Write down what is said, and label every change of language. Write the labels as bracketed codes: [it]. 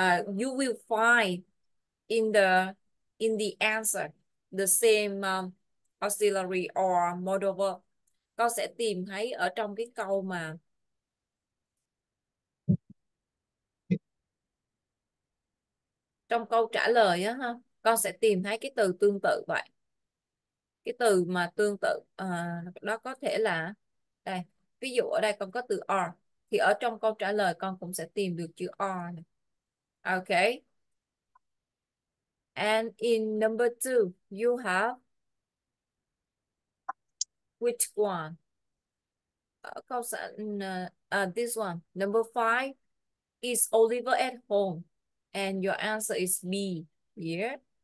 [en] You will find in the answer the same auxiliary or modal verb. [vi] Con sẽ tìm thấy ở trong cái câu mà trong câu trả lời á ha, con sẽ tìm thấy cái từ tương tự vậy. Cái từ mà tương tự đó có thể là đây, ví dụ ở đây con có từ are, thì ở trong câu trả lời con cũng sẽ tìm được chữ are này. Ok. [en] And in number two, you have which one? [vi] Ở câu sẽ [en] this one. Number five, is Oliver at home? And your answer is B. Yeah.